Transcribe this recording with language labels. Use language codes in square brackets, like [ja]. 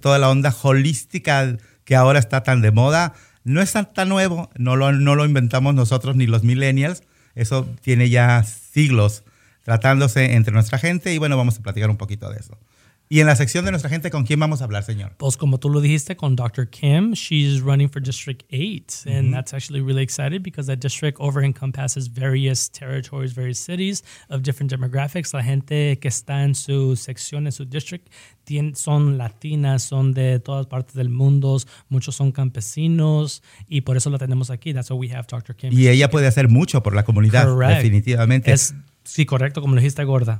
[es] Toda la onda holística que ahora está tan de moda no es tan nuevo, no lo inventamos nosotros ni los millennials. Eso tiene ya siglos tratándose entre nuestra gente y bueno, vamos a platicar un poquito de eso. Y en la sección de nuestra gente, ¿con quién vamos a hablar, señor? Pues como tú lo dijiste, con Dr. Kim. [en] She's running for District 8 and that's actually really excited because that district over encompasses various territories, various cities of different demographics. [es] La gente que está en su sección, en su district, son latinas, son de todas partes del mundo, muchos son campesinos y por eso la tenemos aquí. [en] That's why we have Dr. Kim. [es] Y ella puede hacer mucho por la comunidad. [en] Correct. [es] Definitivamente. Sí, correcto, como lo dijiste, Gorda.